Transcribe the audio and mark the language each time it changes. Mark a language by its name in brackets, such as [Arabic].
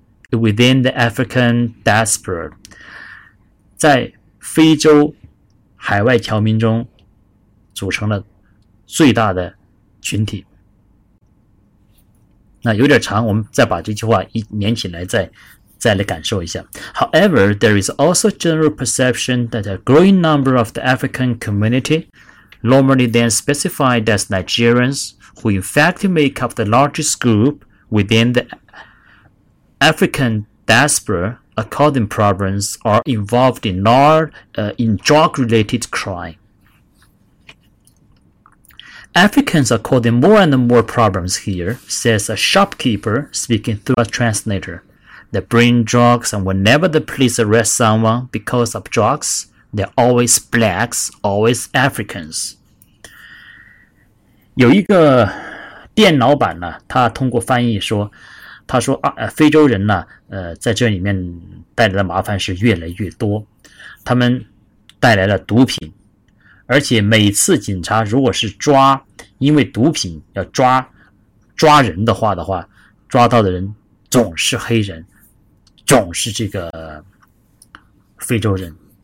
[English] Within the African diaspora, [Chinese] 在非洲海外侨民中组成了最大的群体。那有点长，我们再把这句话一连起来再来感受一下。 [English] However, there is also general perception that a growing number of the African community, normally then specified as Nigerians, who in fact make up the largest group within the African diaspora are causing problems are involved in drug-related crime. Africans are causing more and more problems here, says a shopkeeper speaking through a translator. They bring drugs and whenever the police arrest someone because of drugs, they're always blacks, always Africans. [Chinese] 有一个店老板呢，他通过翻译说他说啊，非洲人呢，在这里面带来的麻烦是越来越多，他们带来了毒品，而且每次警察如果是抓，因为毒品要抓人的话抓到的人总是黑人，总是这个非洲人。